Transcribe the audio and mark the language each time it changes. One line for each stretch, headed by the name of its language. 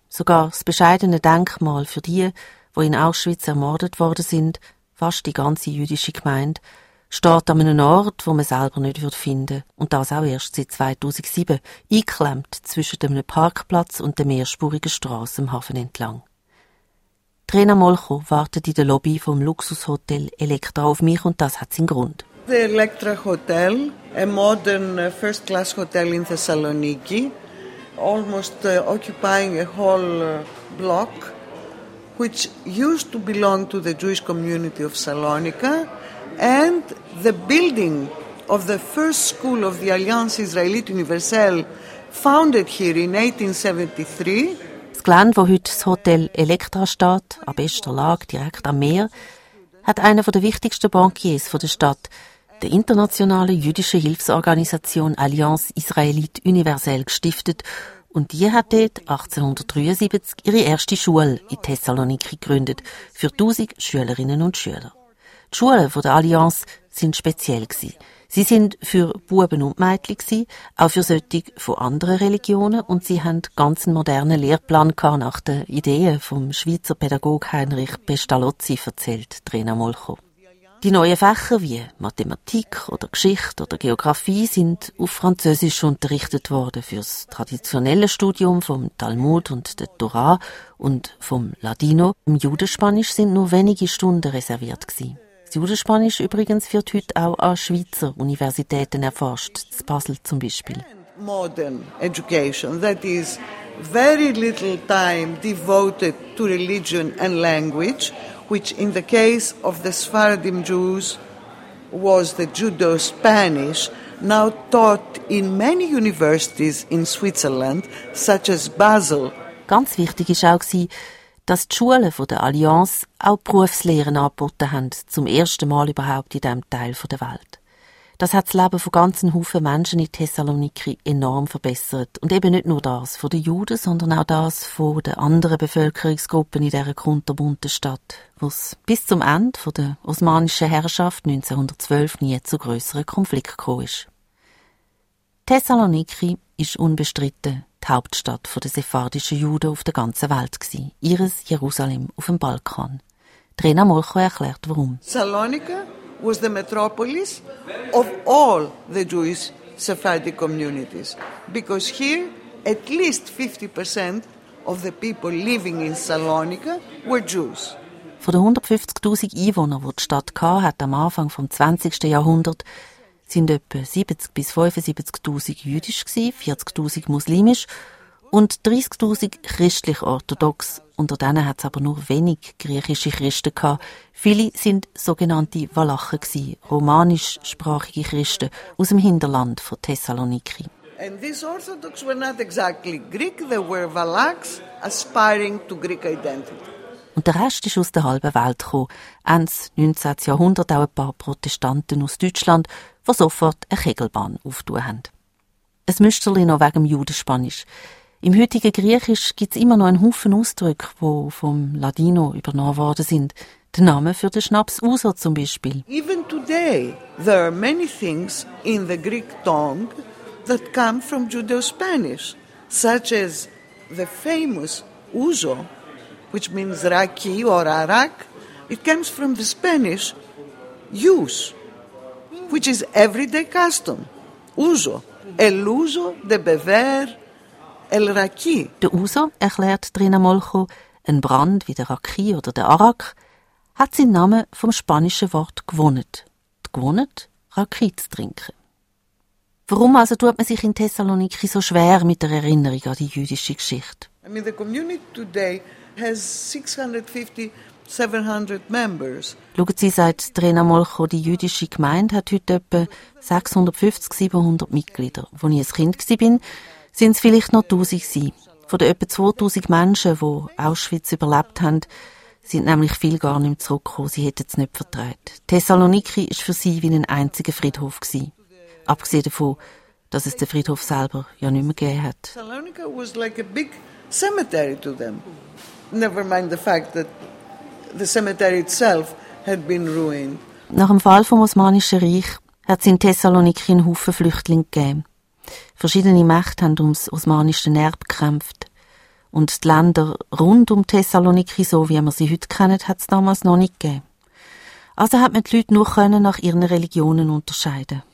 German: Sogar das bescheidene Denkmal für die, die in Auschwitz ermordet worden sind, fast die ganze jüdische Gemeinde, steht an einem Ort, wo man selber nicht finden würde. Und das auch erst seit 2007, eingeklemmt zwischen einem Parkplatz und der mehrspurigen Strasse am Hafen entlang. Rena Molcho wartet in der Lobby vom Luxushotel Elektra auf mich und das hat seinen Grund. Das Elektra Hotel, ein modern
English: First-Class Hotel in Thessaloniki, almost occupying a whole block, which used to belong to the Jewish community of Salonika, and the building of the first school of the Alliance Israelite Universelle, founded here in 1873.
German: Das Gelände, wo heute das Hotel Elektra steht, an bester Lage direkt am Meer, hat einer der wichtigsten Bankiers der Stadt, der internationale jüdische Hilfsorganisation Alliance Israelite Universelle, gestiftet. Und die hat dort 1873 ihre erste Schule in Thessaloniki gegründet, für 1000 Schülerinnen und Schüler. Die Schulen der Allianz waren speziell. Sie waren für Buben und Mädchen, auch für solche von anderen Religionen, und sie hatten einen ganz modernen Lehrplan nach den Ideen vom Schweizer Pädagogen Heinrich Pestalozzi, erzählt Trina Molcho. Die neuen Fächer wie Mathematik oder Geschichte oder Geographie sind auf Französisch unterrichtet worden fürs traditionelle Studium vom Talmud und der Torah und vom Ladino. Im Judenspanisch sind nur wenige Stunden reserviert gewesen. Das Judenspanisch übrigens wird heute auch an Schweizer Universitäten erforscht, in Basel zum Beispiel.
English: Modern education, that is very little time devoted to religion and language, which in the case of the Sephardim Jews was the Judo-Spanish, now taught in many universities in Switzerland, such as Basel.
German: Ganz wichtig war auch, dass die Schulen der Allianz auch Berufslehren angeboten haben, zum ersten Mal überhaupt in diesem Teil der Welt. Das hat das Leben von ganzen Haufen Menschen in Thessaloniki enorm verbessert. Und eben nicht nur das von den Juden, sondern auch das von den anderen Bevölkerungsgruppen in dieser kunterbunten Stadt, wo es bis zum Ende der osmanischen Herrschaft 1912 nie zu grösseren Konflikten gekommen ist. Thessaloniki ist unbestritten die Hauptstadt der sephardischen Juden auf der ganzen Welt gewesen, ihres Jerusalem auf dem Balkan. Trina Molcho erklärt, warum.
English: Thessaloniki was the metropolis of all the Jewish Sephardic communities. Because here, at least 50% of the people living in Thessaloniki were Jews.
German: Von den 150'000 Einwohnern, die die Stadt hatte, hat am Anfang des 20. Jahrhunderts, sind etwa 70'000 bis 75'000 jüdisch gewesen, 40'000 muslimisch und 30'000 christlich-orthodox. Unter denen hat es aber nur wenig griechische Christen gehabt. Viele sind sogenannte Walachen gewesen, romanischsprachige Christen aus dem Hinterland von Thessaloniki.
English: And these Orthodox were not exactly Greek, they were Valachs aspiring to Greek identity.
German: Und der Rest ist aus der halben Welt gekommen. Ende 19. Jahrhundert auch ein paar Protestanten aus Deutschland, die sofort eine Kegelbahn aufgetan haben. Ein Müsterli noch wegen dem Judenspanisch. Im heutigen Griechisch gibt es immer noch einen Haufen Ausdrücke, die vom Ladino übernommen worden sind. Der Name für den Schnaps Ouzo zum Beispiel.
English: Even today, there are many things in the Greek tongue that come from Judeo-Spanish, such as the famous Ouzo, which means raki or arak. It comes from the Spanish use, which is everyday custom.
Spanish: Ouzo. El uso de beber. El Raki.
German: Der Ouzo, erklärt Trina Molcho, ein Brand wie der Raki oder der Arak, hat seinen Namen vom spanischen Wort gewonnen. Gewonnen, Raki zu trinken. Warum also tut man sich in Thessaloniki so schwer mit der Erinnerung an die jüdische Geschichte?
English: I mean, the community today has 650-700 members.
German: Schauen Sie, sagt Trina Molcho, die jüdische Gemeinde hat heute etwa 650-700 Mitglieder. Als ich ein Kind war, sind es vielleicht noch 1'000 gewesen. Von den etwa 2'000 Menschen, die Auschwitz überlebt haben, sind nämlich viele gar nicht mehr zurückgekommen. Sie hätten es nicht vertraut. Thessaloniki war für sie wie ein einziger Friedhof gewesen. Abgesehen davon, dass es den Friedhof selber ja nicht mehr gegeben hat. Thessaloniki war wie ein großes Cemetery für sie.
English: Never mind the fact that the cemetery itself had been ruined.
German: Nach dem Fall vom Osmanischen Reich hat es in Thessaloniki einen Haufen Flüchtlinge gegeben. Verschiedene Mächte haben ums osmanische Erbe gekämpft. Und die Länder rund um Thessaloniki, so wie wir sie heute kennen, hat es damals noch nicht gegeben. Also hat man die Leute nur nach ihren Religionen unterscheiden.